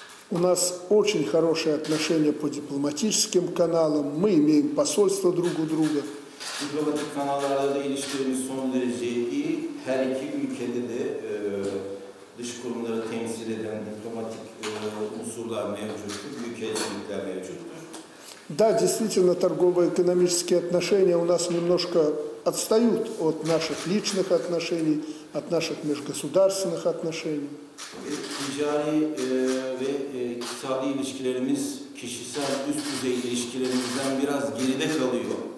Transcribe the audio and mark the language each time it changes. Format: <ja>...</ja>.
<ru>У нас очень хорошие отношения по дипломатическим каналам, мы имеем посольство друг у друга.</ru> <tr>Diplomatik kanallarda ilişkilerimiz son derece iyi. Her iki ülkede de dış kurumları temsil eden diplomatik unsurlar mevcuttur. Büyükelçilikler mevcuttur.</tr> <ru>Да, действительно, торгово-экономические отношения у нас немножко отстают от наших личных отношений, от наших межгосударственных отношений.</ru> <tr>Ticari ve iktisadi ilişkilerimiz kişisel üst düzey ilişkilerimizden biraz geride kalıyor.</tr>